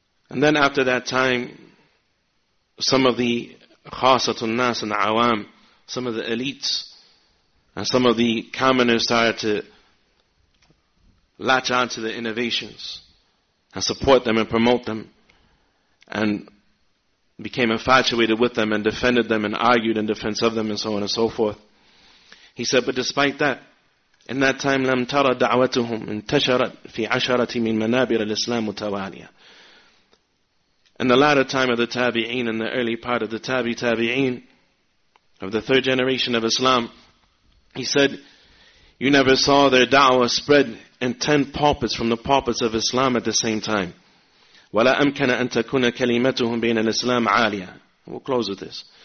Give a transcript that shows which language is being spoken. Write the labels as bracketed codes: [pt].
[en] And then after that time, some of the [ar] خاصة الناس [en] and عوام, some of the elites and some of the commoners started to latch on to the innovations and support them and promote them, and became infatuated with them and defended them and argued in defense of them and so on and so forth. He said, but despite that, in that time, [ar] لَمْ تَرَ دَعْوَتُهُمْ انتَشَرَتْ فِي عَشَرَةِ مِنْ مَنَابِرَ الْإِسْلَامُ مُتَوَالِيًا. [en] In the latter time of the tabi'een, in the early part of the tabi'een, of the third generation of Islam, he said, you never saw their da'wah spread in 10 pulpits from the pulpits of Islam at the same time. [ar] وَلَا أَمْكَنَ أَن تَكُونَ كَلِمَتُهُمْ بَيْنَ الْإِسْلَامِ عَالِيًا. [en] We'll close with this.